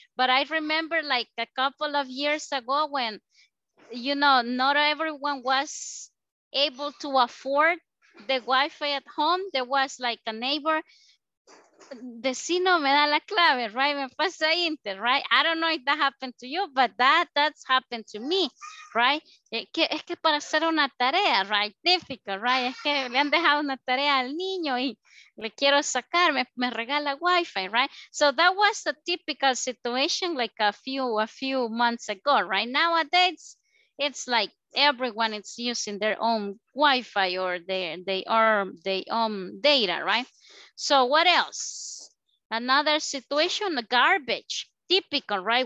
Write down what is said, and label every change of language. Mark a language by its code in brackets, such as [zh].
[en] But I remember like a couple of years ago when, you know, not everyone was able to afford the Wi-Fi at home. There was like a neighbor, vecino me da la clave, right? Me pasa inter, right? I don't know if that happened to you, but that's happened to me, right? [es] Es que para hacer una tarea, right? Difficult, right? Es que le han dejado una tarea al niño y le quiero sacar, me regala Wi-Fi, right? [en] So that was a typical situation like a few months ago, right? Nowadays, it's like everyone is using their own Wi-Fi or their own data, right? So what else? Another situation, the garbage. Typical, right?